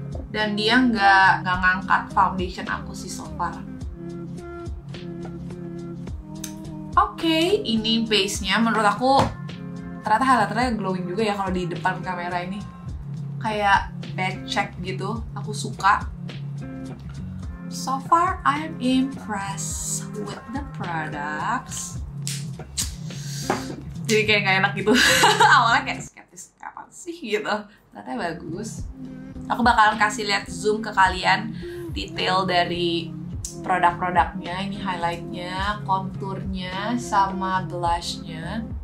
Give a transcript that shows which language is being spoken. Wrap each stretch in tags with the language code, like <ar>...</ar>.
<id>Dan dia nggak ngangkat foundation aku sih</id> <en>so far.</en> <id>Okay, ini base-nya. Menurut aku ternyata highlighternya glowing juga ya kalau di depan kamera ini. Kayak bad check gitu, aku suka.</id> <en>So far, I'm impressed with the products.</en> <id>Jadi kayak nggak enak gitu. Awalnya kayak skeptis, apa sih gitu. Ternyata bagus. Aku bakalan kasih lihat zoom ke kalian detail dari produk-produknya. Ini highlightnya, konturnya, sama blushnya.</id>